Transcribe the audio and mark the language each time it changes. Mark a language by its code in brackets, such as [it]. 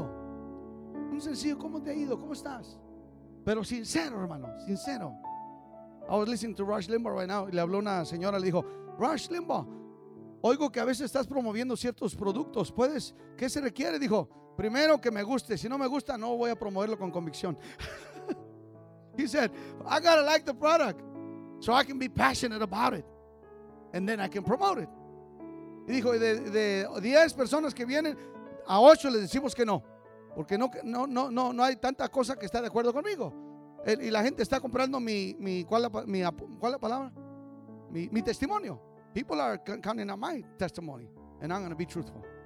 [es] Un sencillo, ¿cómo te ha ido? ¿Cómo estás? Pero sincero, hermano, sincero. [en] I was listening to Rush Limbaugh right now. [es] Y le habló una señora, le dijo, Rush Limbaugh, oigo que a veces estás promoviendo ciertos productos. ¿Puedes? ¿Qué se requiere? Dijo, primero que me guste. Si no me gusta, no voy a promoverlo con convicción. [en] He said, I gotta like the product so I can be passionate about it. And then I can promote it. [es] Y dijo, de 10 personas que vienen, a 8 les decimos que no. Porque no hay tanta cosa que está de acuerdo conmigo. Y la gente está comprando mi testimonio. [en] People are counting on my testimony. And I'm going to be truthful.